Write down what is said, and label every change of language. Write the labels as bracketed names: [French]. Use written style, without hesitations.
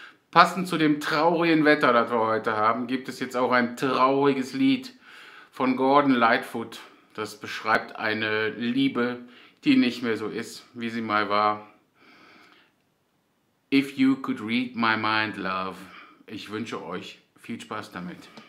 [German] Passend zu dem traurigen Wetter, das wir heute haben, gibt es jetzt auch ein trauriges Lied von Gordon Lightfoot. Das beschreibt eine Liebe, die nicht mehr so ist, wie sie mal war. [English] If you could read my mind, love. [German] Ich wünsche euch viel Spaß damit.